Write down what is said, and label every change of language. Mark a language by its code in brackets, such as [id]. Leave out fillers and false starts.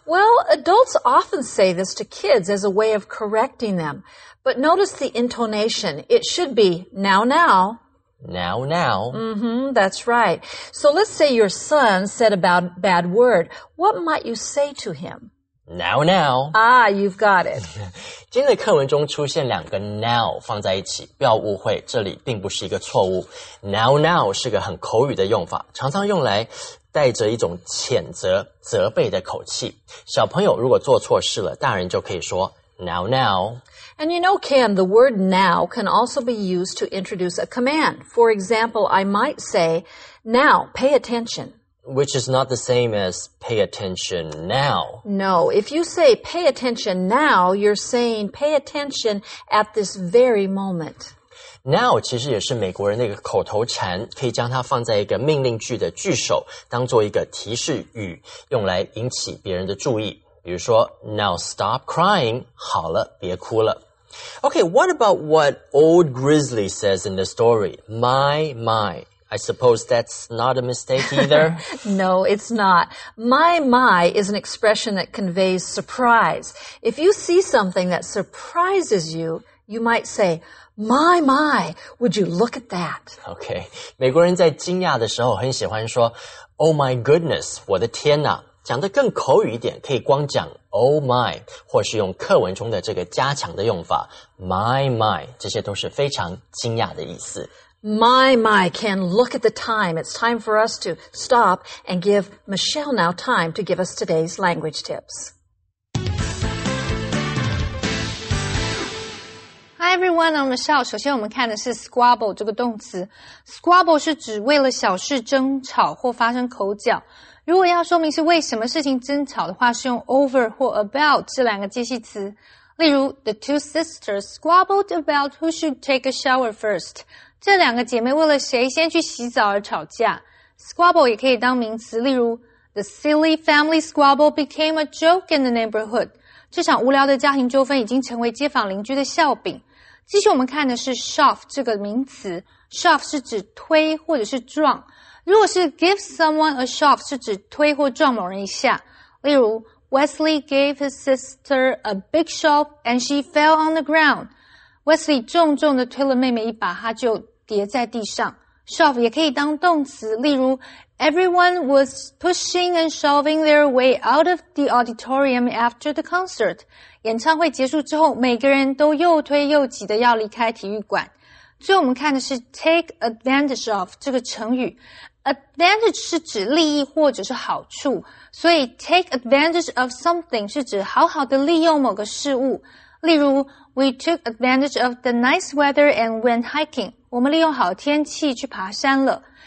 [en] Well, adults often say this to kids as a way of correcting them. But notice the intonation. It should be now. Now. Mm-hmm, that's right. So let's say your son said a bad word. What might you say to him? Now, now. Ah, you've got it. [zh] 今天的课文中出现两个 now 放在一起，不要误会，这里并不是一个错误。 Now, now 是个很口语的用法，常常用来带着一种谴责、责备的口气。小朋友如果做错事了，大人就可以说 now, now。 [en] And you know, Ken, the word now can also be used to introduce a command. For example, I might say, now, pay attention. Which is not the same as pay attention now. No, if you say pay attention now, you're saying pay attention at this very moment. [zh] Now 其实也是美国人的一个口头禅，可以将它放在一个命令句的句首，当做一个提示语，用来引起别人的注意。比如说 , [en] now stop crying, [zh] 好了别哭了。 [en] Okay, what about what old Grizzly says in the story? My, my, I suppose that's not a mistake either. No, it's not. My, my is an expression that conveys surprise. If you see something that surprises you, you might say, my, my, would you look at that? [zh] Okay, 美国人在惊讶的时候很喜欢说 , [en] oh my goodness, [zh] 我的天哪。讲得更口语一点，可以光讲 oh my, 或是用课文中的这个加强的用法 my my, 这些都是非常惊讶的意思。 [en] My my, Ken, look at the time. It's time for us to stop and give Michelle now time to give us today's language tips. Hi everyone, I'm Michelle. [zh] 首先我们看的是 squabble 这个动词。 Squabble 是指为了小事争吵或发生口角。如果要说明是为什么事情争吵的话，是用 over 或 about 这两个介系词。 [en] 例如 ,the two sisters squabbled about who should take a shower first. [zh] 这两个姐妹为了谁先去洗澡而吵架。 [en] Squabble [zh] 也可以当名词，例如 [en] ,the silly family squabble became a joke in the neighborhood. [zh] 这场无聊的家庭纠纷已经成为街坊邻居的笑柄。继续我们看的是 shove 这个名词。shove 是指推或者是撞。如果是 [en] give someone a shove [zh] 是指推或撞某人一下，例如 [en] Wesley gave his sister a big shove and she fell on the ground. [zh] Wesley 重重地推了妹妹一把，她就跌在地上。 [en] Shove [zh] 也可以当动词，例如 [en] Everyone was pushing and shoving their way out of the auditorium after the concert. [zh] 演唱会结束之后，每个人都又推又挤地要离开体育馆。最后我们看的是 take advantage of 这个成语。 Advantage 是指利益或者是好处，所以 take advantage of something 是指好好的利用某个事物。 [en] 例如 ,we took advantage of the nice weather and went hiking. [zh] 我们利用好天气去爬山了。